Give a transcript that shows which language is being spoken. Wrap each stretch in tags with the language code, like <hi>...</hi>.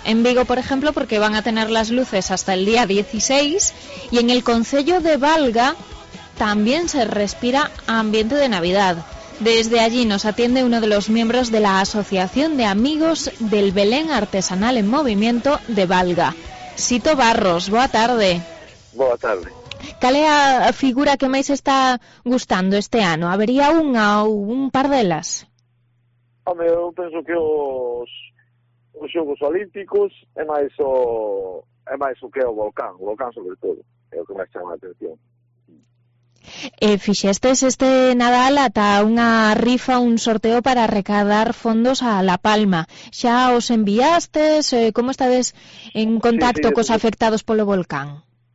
<es>En Vigo, por ejemplo, porque van a tener las luces hasta el día 16. Y en el Concello de Valga también se respira ambiente de Navidad. Desde allí nos atiende uno de los miembros de la Asociación de Amigos del Belén Artesanal en Movimiento de Valga.</es> <gl>Sito Barros, boa tarde. Boa tarde. ¿Cal é a figura que máis está gustando este ano? ¿Habería unha ou un par delas? Eu penso que os Xogos Olímpicos é máis o que é o volcán, sobre todo, é o que máis chama a atención. Fixestes este Nadal ata unha rifa, un sorteo para recadar fondos a La Palma. Xa os enviastes? Como estades en contacto cos afectados polo volcán?</gl>